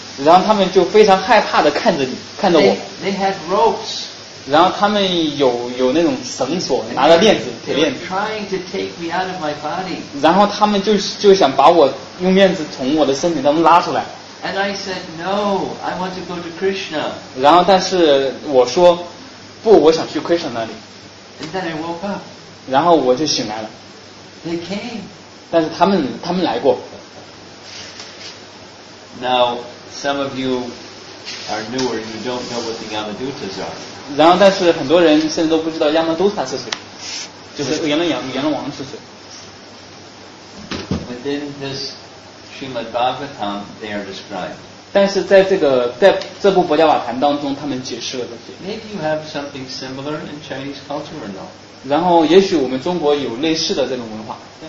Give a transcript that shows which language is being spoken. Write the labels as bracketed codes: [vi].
[zh] 然后他们就非常害怕的看着你，看着我。 [en] They had ropes. [zh] 然后他们有那种绳索，拿着链子，铁链子。 [en] Trying to take me out of my body. [zh] 然后他们就想把我用链子从我的身体当中拉出来。 [en] And I said, "No, I want to go to Krishna." [zh] 然后但是我说，不，我想去 Krishna 那里。 [en] And then I woke up. [zh] 然后我就醒来了。 [en] They came. [zh] 但是他们来过。 [en] Now, some of you are newer. You don't know what the Yamadutas are. [zh] 然后，但是很多人甚至都不知道 Yamadutas 是谁，就是阎罗王是谁。 [en] Within this Srimad Bhagavatam, they are described. [zh] 但是在这部佛教瓦坛当中，他们解释了这些。 [en] Maybe you have something similar in Chinese culture or not? [zh] 然后也许我们中国有类似的这种文化。